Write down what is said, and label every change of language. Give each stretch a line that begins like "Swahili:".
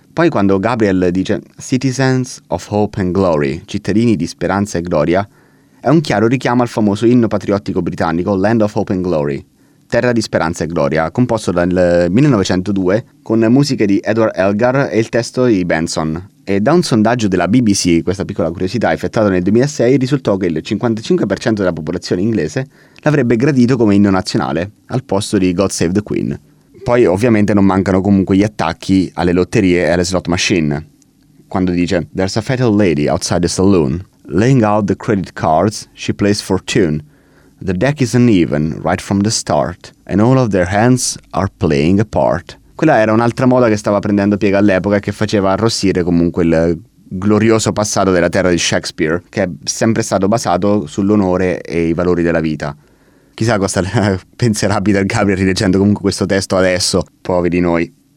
Italian: Poi quando Gabriel dice
English: Citizens of Hope and Glory,
Italian: cittadini di speranza e gloria, è un chiaro richiamo al famoso inno patriottico britannico Land of Hope and Glory, terra di speranza e gloria, composto nel 1902 con musiche di Edward Elgar e il testo di Benson. E da un sondaggio della BBC, questa piccola curiosità, effettuato nel 2006, risultò che il 55% della popolazione inglese l'avrebbe gradito come inno nazionale, al posto di God Save the Queen. Poi ovviamente non mancano comunque gli attacchi alle lotterie e alle slot machine. Quando dice
English: There's a fat old lady outside the saloon, laying out the credit cards, she plays fortune. The deck is uneven right from the start, and all of their hands are playing a part.
Italian: Quella era un'altra moda che stava prendendo piega all'epoca e che faceva arrossire comunque il glorioso passato della terra di Shakespeare, che è sempre stato basato sull'onore e i valori della vita. Chissà cosa penserà Peter Gabriel rileggendo comunque questo testo adesso, poveri noi.